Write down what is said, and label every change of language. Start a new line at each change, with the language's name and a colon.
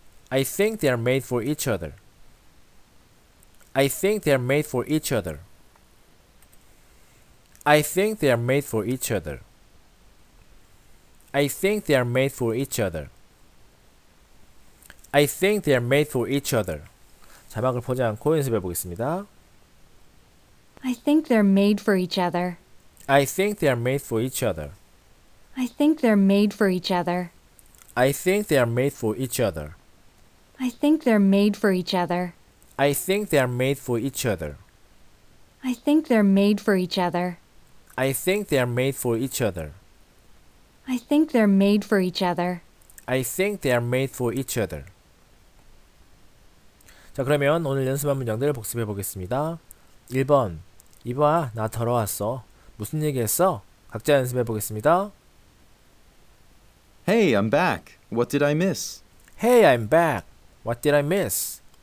English: I think they are made for each other. I think they are made for each other. I think they are made for each other. I think they are made for each other. I think they are made for each other.
Korean: 자막을 보지 않고 연습해 보겠습니다.
English: I think they're made for each other. I think they are made for each other. I think they're made for each other. I think they are made for each other. I think they're made for each other. I think they are made for each other. I think they're made for each other. I think they are made for each other. I think they're made for each other. I think they are made for each other.
Korean: 자, 그러면 오늘 연습한 문장들을 복습해 보겠습니다. 1번. 이봐, 나 돌아왔어. 무슨 얘기 했어? 각자 연습해 보겠습니다.
English: Hey, I'm back. What did I miss? Hey, I'm back. What did I miss?